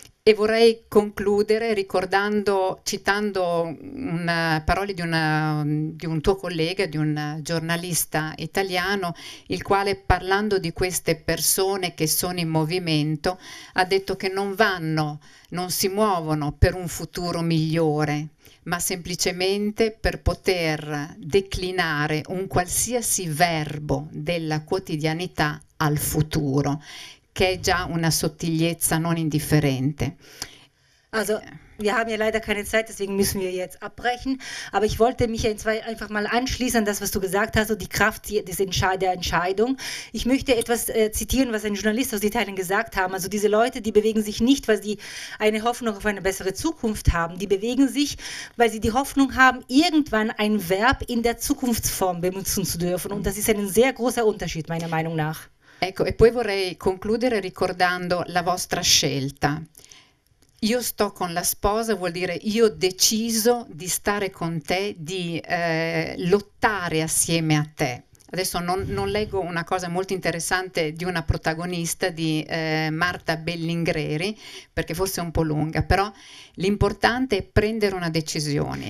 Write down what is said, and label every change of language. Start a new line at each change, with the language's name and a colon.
Italian: E vorrei concludere ricordando, citando una parole di un tuo collega, di un giornalista italiano, il quale parlando di queste persone che sono in movimento ha detto che non vanno, non si muovono per un futuro migliore, ma semplicemente per poter declinare un qualsiasi verbo della quotidianità al futuro, che è già una sottigliezza non indifferente.
German: Also, wir haben ja leider keine Zeit, deswegen müssen wir jetzt abbrechen, aber ich wollte mich einfach mal anschließen an das, was du gesagt hast, die Kraft der Entscheidung. Ich möchte etwas zitieren, was ein Journalist aus Italien gesagt hat. Also diese Leute, die bewegen sich nicht, weil sie eine Hoffnung auf eine bessere Zukunft haben, die bewegen sich, weil sie die Hoffnung haben, irgendwann ein Verb in der Zukunftsform benutzen zu dürfen, und das ist ein sehr großer Unterschied, meiner Meinung nach.
Italian: Ecco, e poi vorrei concludere ricordando la vostra scelta. Io sto con la sposa vuol dire io ho deciso di stare con te, di lottare assieme a te. Adesso non leggo una cosa molto interessante di una protagonista, di Marta Bellingreri, perché forse è un po' lunga, però l'importante è prendere una decisione.